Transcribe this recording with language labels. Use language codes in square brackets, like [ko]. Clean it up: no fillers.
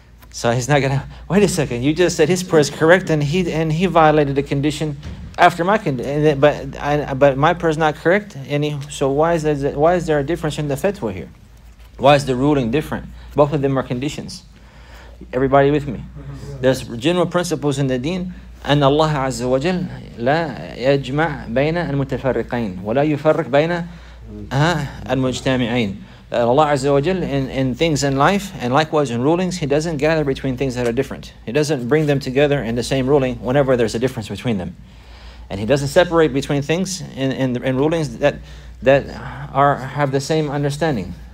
[en] So he's not going to, wait a second. You just said his prayer is correct and he violated the condition. After my condition, but my prayer is not correct. Why is there a difference in the fatwa here? Why is the ruling different? Both of them are conditions. Everybody with me? There's general principles in the deen. [ar] أن الله عز وجل لا يجمع بين المتفرقين ولا يفرق بين المجتمعين. [en] Allah عز وجل in things in life and likewise in rulings, He doesn't gather between things that are different. He doesn't bring them together in the same ruling whenever there's a difference between them. And he doesn't separate between things in rulings that have the same understanding.